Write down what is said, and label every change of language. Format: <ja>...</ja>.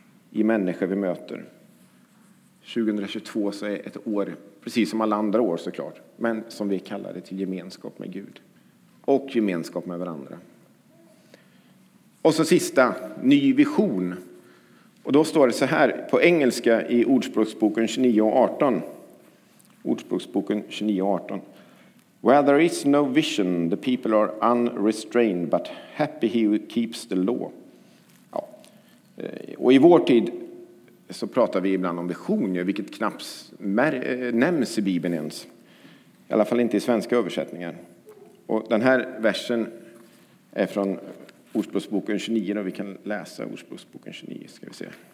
<sv>I människor vi möter. 2022 så är ett år, precis som alla andra år såklart, men som vi kallar det, till gemenskap med Gud och gemenskap med varandra. Och så sista, ny vision. Och då står det så här på engelska i Ordspråksboken 29:18. Ordspråksboken 29:18.</sv> <en>Where there is no vision, the people are unrestrained, but happy he who keeps the law.</en> <sv>Ja. Och i vår tid så pratar vi ibland om visioner, vilket knappt nämns i Bibeln ens. I alla fall inte i svenska översättningar. Och den här versen är från Ordspråksboken 29. Och vi kan läsa Ordspråksboken 29, ska vi se.</sv>